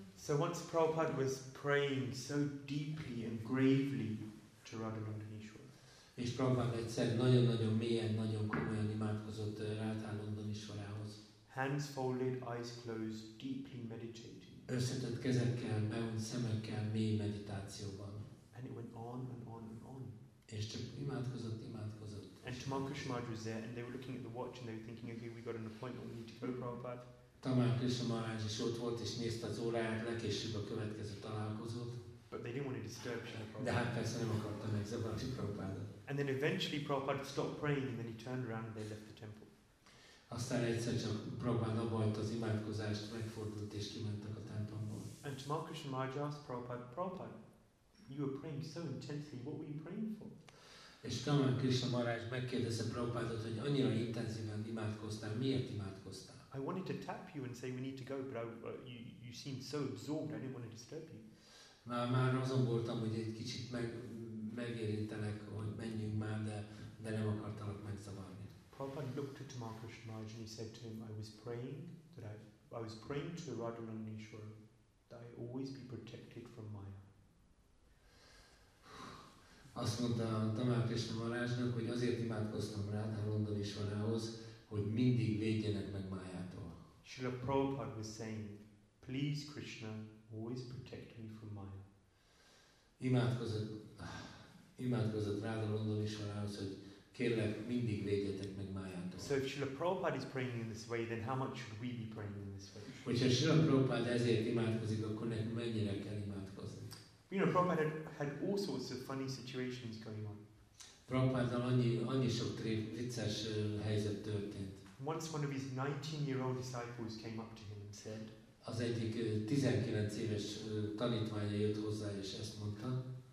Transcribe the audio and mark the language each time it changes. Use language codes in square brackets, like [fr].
[en] So once Prabhupada was praying so deeply and gravely to Radha Nandanishwar. [hu] És Prabhupada egyszer nagyon-nagyon mélyen, nagyon komolyan imádkozott Radha Nandanishwarához. [en] Hands folded, eyes closed, deeply meditating. [hu] Összetett kezekkel, bevont szemekkel, mély meditációban. [en] And it went on and on and on. [hu] És csak imádkozott. [en] And Tamal Krishna Maharaj was there, and they were looking at the watch, and they were thinking, okay, we got an appointment, we need to go, Prabhupada. [hu] Tamal Krishna Maharaj is ott volt, és nézte az óráját, legkésőbb a következő találkozót. [en] But they didn't want to disturb Srila Prabhupada. [hu] De hát persze nem akarta megzavarni Prabhupada. [en] And then eventually Prabhupada stopped praying, and then he turned around and they left the temple. [hu] Aztán egyszer csak Prabhupada abbahagyta az imádkozást, megfordult és kimentek a templomból. [en] And Tamal Krishna Maharaj asked Prabhupada, you were praying so intensely, what were you praying for? [hu] És Tamal Krishna Maharaj megkérdezte Prabhupádot, hogy annyira intenzíven imádkoztál, miért imádkoztál? [en] I wanted to tap you and say we need to go, but you seemed so absorbed, I didn't want to disturb you. [hu] Már azon voltam, hogy egy kicsit megérintenek, hogy menjünk már, de nem akartalak megzavarni. [en] Prabhupada looked at Tamal Krishna Maharaj and he said to him, I was praying to Radha Nandanishwar that I always be protected from Maya. [hu] Azt mondta Tamal Krishna Maharajnak, hogy azért imádkoztam Radha Nandanishwarához, hogy mindig védjenek meg Mayától. [en] Srila Prabhupada was saying, please Krishna, always protect me from Maya. [hu] Imádkozott Radha Nandanishwarához, hogy kérlek, mindig védjetek meg Mayától. [en] So if Srila Prabhupada is praying in this way, then how much should we be praying in this way? [hu] Hogyha Srila Prabhupada ezért imádkozik, akkor nekünk mennyire kell imádkozni? [en] You know, Prabhupada had all sorts of funny situations going on. [hu] Prabhupádnal annyi sok vicces helyzet történt. [en] Once one of his 19-year-old disciples came up to him and said, [hu] az egyik 19 éves tanítványa jött hozzá és ezt mondta,